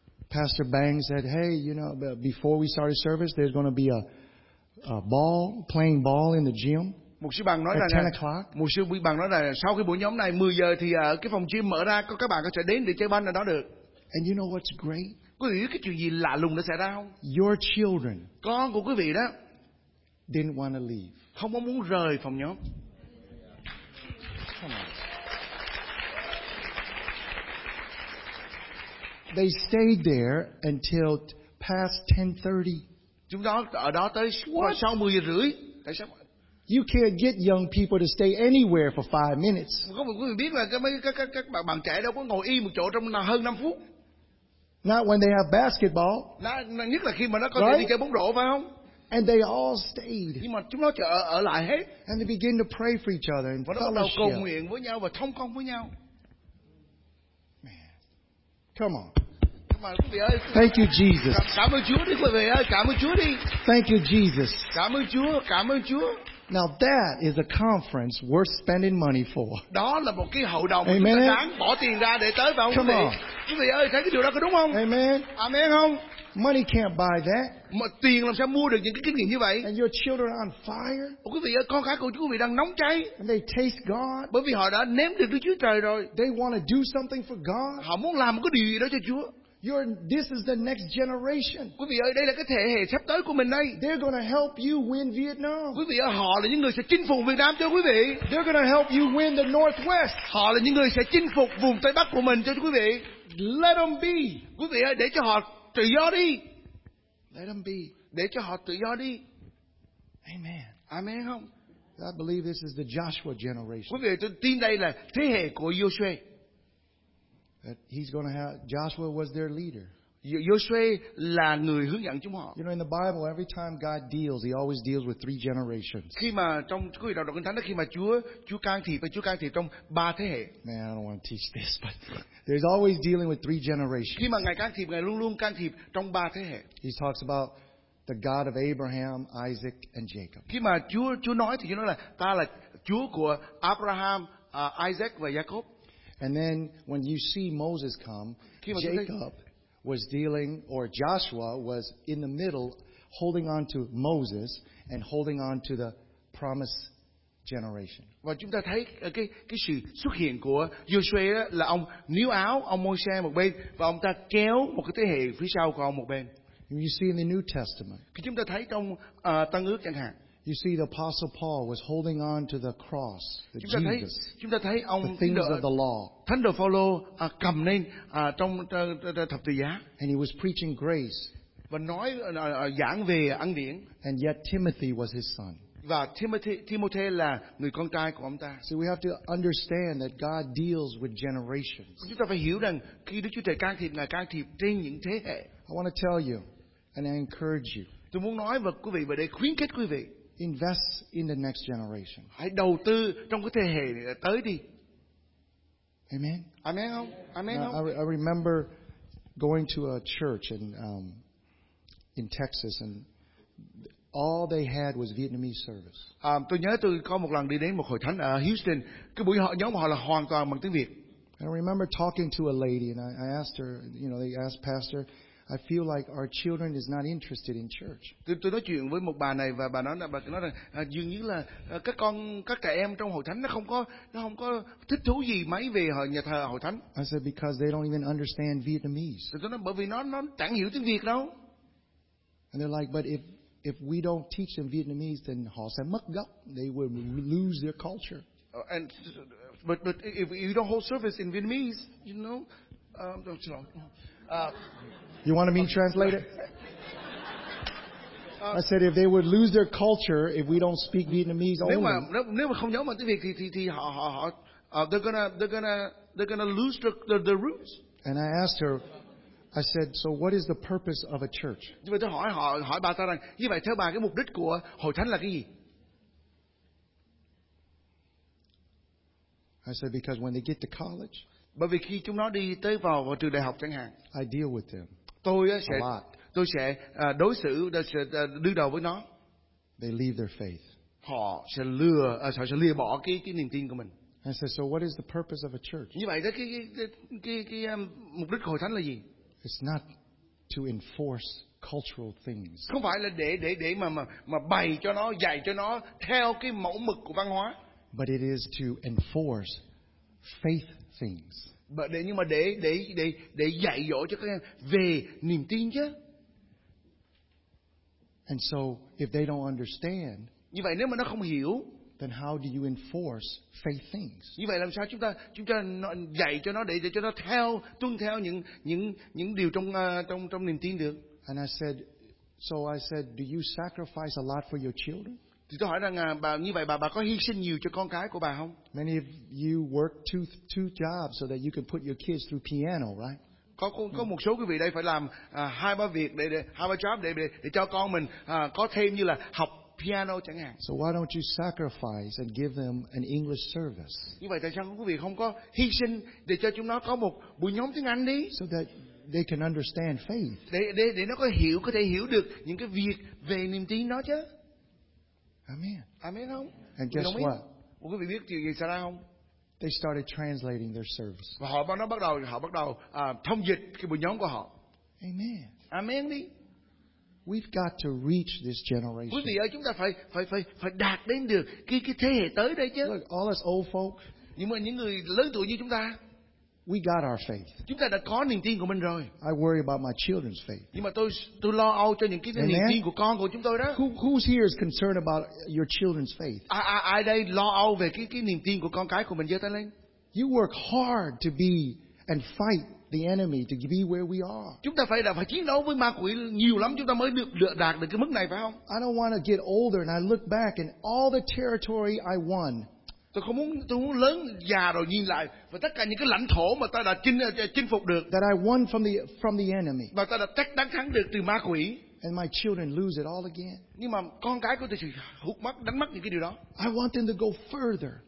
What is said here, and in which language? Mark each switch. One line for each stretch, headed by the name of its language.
English: Pastor Bang said, "Hey, you know, before we start a service, there's going to be a ball, playing ball in the gym."
Vietnamese: Mục sư Bằng nói rằng, Mục sư Bằng nói rằng, sau cái buổi nhóm này 10 giờ thì cái phòng gym mở ra, các bạn có thể đến để chơi banh ở đó được.
English: And you know what's great?
Vietnamese: Quý vị biết cái chuyện gì lạ lùng đã xảy ra không?
English: Your children.
Vietnamese: Con của quý vị đó.
English: Didn't want to leave.
Vietnamese: Không có muốn rời phòng nhóm.
English: Come on. They stayed there until past 10:30.
Vietnamese: Chúng nó ở đó tới sau 10 giờ rưỡi. Tại sao?
English: You can't get young people to stay anywhere for 5 minutes.
Vietnamese: Không, quý vị biết là các bạn trẻ đâu có ngồi yên một chỗ trong hơn 5 phút.
English: Not when they have basketball.
Vietnamese: Nhất là khi mà nó có thể đi chơi bóng rổ phải không?
English: And they all stayed.
Vietnamese: Nhưng mà chúng nó ở lại hết.
English: And they begin to pray for each other and fellowship.
Vietnamese: Và bắt đầu cầu nguyện với nhau và thông công với nhau.
English: Come on. Thank you, Jesus.
Vietnamese: Cảm ơn Chúa đi, quý vị ơi. Cảm ơn Chúa đi.
English: Thank you, Jesus.
Vietnamese: Cảm ơn Chúa. Cảm ơn Chúa.
English: Now that is a conference worth spending money for.
Vietnamese: Đó là một cái hội đồng chúng ta đáng bỏ tiền ra để tới vào.
English: Come on.
Vietnamese: Quý vị ơi, thấy cái điều đó có đúng không?
English: Amen.
Vietnamese: Amen không?
English: Money can't buy that.
Vietnamese: Mà tiền làm sao mua được những cái kinh nghiệm như vậy?
English: And your children are on fire.
Vietnamese: Quý vị ơi, con cái của quý vị đang nóng cháy.
English: And they taste God.
Vietnamese: Bởi vì họ đã nếm được Đức Chúa Trời rồi.
English: They want to do something for God.
Vietnamese: Họ muốn làm một cái điều gì đó cho Chúa.
English: This is the next generation.
Vietnamese: Quý vị ơi, đây là cái thế hệ sắp tới của mình đây.
English: They're gonna help you win Vietnam.
Vietnamese: Quý vị ơi, họ là những người sẽ chinh phục Việt Nam cho quý vị.
English: They're gonna help you win the Northwest.
Vietnamese: Họ là những người sẽ chinh phục vùng Tây Bắc của mình cho quý vị.
English: Let them be.
Vietnamese: Quý vị ơi, để cho họ tự do đi.
English: Let them be.
Vietnamese: Để cho họ tự do đi.
English: Amen.
Vietnamese: Amen không?
English: I believe this is the Joshua generation.
Vietnamese: Quý vị ơi, tôi tin đây là thế hệ của Joshua.
English: That he's going to have, Joshua was their leader.
Vietnamese: Joshua là người hướng dẫn chúng họ.
English: You know, in the Bible, every time God deals, He always deals with three generations.
Vietnamese: Khi mà trong cuối đầu đoạn kinh thánh đó, khi mà Chúa can thiệp và Chúa can thiệp trong ba thế hệ.
English: Man, I don't want to teach this, but there's always dealing with three generations.
Vietnamese: Khi mà Ngài can thiệp, Ngài luôn luôn can thiệp trong ba thế hệ.
English: He talks about the God of Abraham, Isaac, and Jacob.
Vietnamese: Khi mà Chúa nói thì Chúa nói là ta là Chúa của Abraham, Isaac và Jacob.
English: And then when you see Moses come, Jacob was dealing, or Joshua was in the middle, holding on to Moses and holding on to the promised generation.
Vietnamese: Và chúng ta thấy cái sự xuất hiện của Joshua là ông níu áo ông Môi-se một bên và ông ta kéo một cái thế hệ phía sau của ông một bên.
English: And you see in the New Testament.
Vietnamese: Khi chúng ta thấy trong Tân Ước chẳng hạn.
English: You see the Apostle Paul was holding on to the cross, the Jesus.
Vietnamese: Chúng ta thấy ông
English: the things of the law.
Vietnamese: Thánh đồ Phao-lô cầm lên trong thập tự giá.
English: And he was preaching grace.
Vietnamese: Và nói giảng về ân điển.
English: And yet Timothy was his son.
Vietnamese: Và Timothy là người con trai của ông ta.
English: So we have to understand that God deals with generations.
Vietnamese: Chúng ta phải hiểu rằng khi Đức Chúa Trời can thiệp, Ngài can thiệp trên những thế hệ.
English: I want to tell you, and I encourage you.
Vietnamese: Tôi muốn nói với quý vị và để khuyến khích quý vị.
English: Invest in the next generation.
Vietnamese: Hãy đầu tư trong cái thế hệ này, tới đi.
English: Amen.
Vietnamese: Amen không? Amen không?
English: I remember going to a church in Texas, and all they had was Vietnamese service.
Vietnamese: Tôi nhớ tôi có một lần đi đến một hội thánh ở Houston. Cái buổi họ nhóm họ là hoàn toàn bằng tiếng Việt.
English: And I remember talking to a lady, and I asked her. You know, they asked pastor. I feel like our children is not interested in church.
Vietnamese: Tôi nói chuyện với một bà này và bà nói rằng dường như là các trẻ em trong hội thánh nó không có thích thú gì mấy về nhà thờ hội thánh.
English: I said because they don't even understand Vietnamese.
Vietnamese: Tôi nói bởi vì nó chẳng hiểu tiếng Việt đâu.
English: And they're like, but if we don't teach them Vietnamese, then
Vietnamese: họ sẽ mất gốc.
English: They will lose their culture. And but if you don't hold service in Vietnamese, you know, don't you know? You want to meet translator? I said if they would lose their culture if we don't speak Vietnamese only.
Vietnamese: Nếu mà không nhớ mà tiếng Việt thì họ
English: they're gonna lose the roots. And I asked her, I said, so what is the purpose of a church?
Vietnamese: Vậy tôi hỏi bà ta rằng như vậy theo bà cái mục đích của hội thánh là cái gì?
English: I said because when they get to college.
Vietnamese: Bởi vì khi chúng nó đi tới vào trường đại học chẳng hạn.
English: I deal with them.
Vietnamese: Tôi sẽ đối xử, sẽ đương đầu với nó.
English: They leave their faith.
Vietnamese: Họ sẽ lìa bỏ cái niềm tin của mình.
English: I said, so what is the purpose of a church?
Vietnamese: Như vậy đó cái mục đích hội thánh là gì?
English: It's not to enforce cultural things.
Vietnamese: Không phải là để mà bày cho nó, dạy cho nó theo cái mẫu mực của văn hóa.
English: But it is to enforce faith things.
Vietnamese: Nhưng mà để dạy dỗ cho các em về niềm tin chứ.
English: And so if they don't understand,
Vietnamese: như vậy nếu mà nó không hiểu,
English: then how do you enforce faith things?
Vietnamese: Như vậy làm sao chúng ta dạy cho nó để cho nó tuân theo những điều trong niềm tin được?
English: And I said, do you sacrifice a lot for your children?
Vietnamese: Thì tôi hỏi rằng bà như vậy bà có hy sinh nhiều cho con cái của bà không?
English: Many of you work two jobs so that you can put your kids through piano, right?
Vietnamese: Có một số quý vị đây phải làm hai ba việc để hai ba job để cho con mình có thêm như là học piano chẳng hạn.
English: So why don't you sacrifice and give them an English service?
Vietnamese: Như vậy tại sao quý vị không có hy sinh để cho chúng nó có một buổi nhóm tiếng Anh đi?
English: So that they can understand faith.
Vietnamese: Để nó có thể hiểu được những cái việc về niềm tin đó chứ.
English: Amen.
Vietnamese: Không?
English: And guess what?
Vietnamese: Một quý vị biết chuyện gì xảy ra không?
English: They started translating their service.
Vietnamese: Và họ bắt đầu thông dịch cái buổi nhóm của họ.
English: Amen.
Vietnamese: Amen đi.
English: We've got to reach this generation.
Vietnamese: Quý vị ơi, chúng ta phải đạt đến được cái thế hệ tới đây chứ.
English: Look, all us old folk.
Vietnamese: Nhưng mà những người lớn tuổi như chúng ta.
English: We got our faith.
Vietnamese: Chúng ta đã có niềm tin của mình rồi.
English: I worry about my children's faith.
Vietnamese: Nhưng mà tôi lo âu cho những cái niềm tin của con của chúng tôi đó.
English: Who's here is concerned about your children's faith?
Vietnamese: Ai đây lo âu về cái niềm tin của con cái của mình giơ tay lên.
English: You work hard to be and fight the enemy to be where we are.
Vietnamese: Chúng ta phải chiến đấu với ma quỷ nhiều lắm chúng ta mới đạt được cái mức này phải không?
English: I don't want to get older and I look back and all the territory I won.
Vietnamese: Tôi không muốn, tôi muốn lớn già rồi nhìn lại và tất cả những cái lãnh thổ mà ta đã chinh phục được.
English: That I won from the enemy.
Vietnamese: Và ta đã đánh thắng được từ ma quỷ.
English: And my children lose it all again.
Vietnamese: Nhưng mà con cái của tôi thì hụt mắt, đánh mất những cái điều đó.
English: I want them to go further.